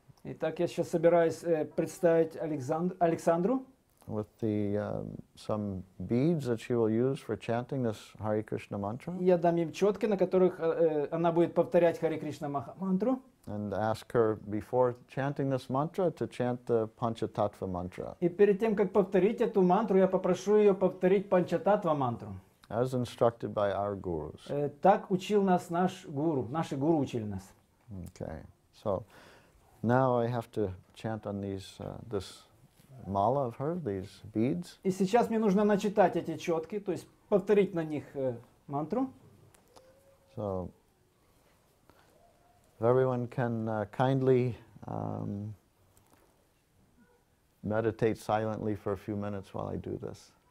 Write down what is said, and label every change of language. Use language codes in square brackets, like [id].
[ru] Итак, я сейчас собираюсь представить Александру. [en] With the some beads that she will use for chanting this Hare Krishna mantra. [ru] Я дам ей четки, на которых она будет повторять Hare Krishna Maha Mantra. [en] And ask her before chanting this mantra to chant the Panchatattva mantra. [ru] И перед тем, как повторить эту мантру, я попрошу ее повторить Панчататва мантру. [en] As instructed by our gurus. [ru] Так учил нас наш гуру, наши гуру учили нас. [en] Okay, so now I have to chant on this mala of her, these beads. [ru] И сейчас мне нужно начитать эти четки, то есть повторить на них мантру. [en] So, if everyone can kindly meditate silently for a few minutes while I do this.